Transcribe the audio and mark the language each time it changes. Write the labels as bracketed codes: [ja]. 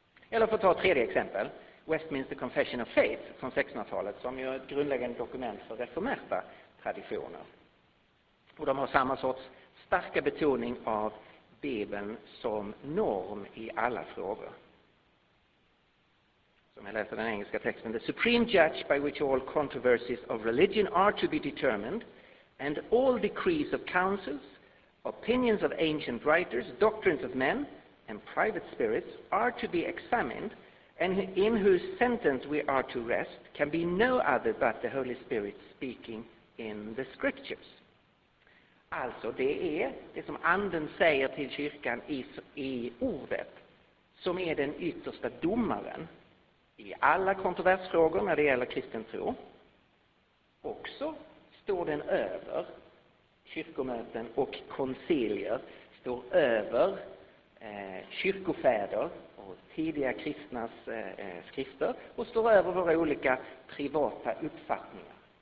[sv] Eller för att ta ett tredje exempel, Westminster Confession of Faith från 1600-talet, som är ett grundläggande dokument för reformerta traditioner. Och de har samma sorts starka betoning av Bibeln som norm i alla frågor. Som jag läser den engelska texten. [en] The supreme judge by which all controversies of religion are to be determined, and all decrees of councils, opinions of ancient writers, doctrines of men, and private spirits are to be examined, and in whose sentence we are to rest can be no other but the Holy Spirit speaking in the scriptures. [sv] Alltså, det är det som anden säger till kyrkan i ordet som är den yttersta domaren i alla kontroversfrågor när det gäller kristen tro. Också står den över kyrkomöten och koncilier, står över kyrkofäder och tidiga kristnas skrifter, och står över våra olika privata uppfattningar.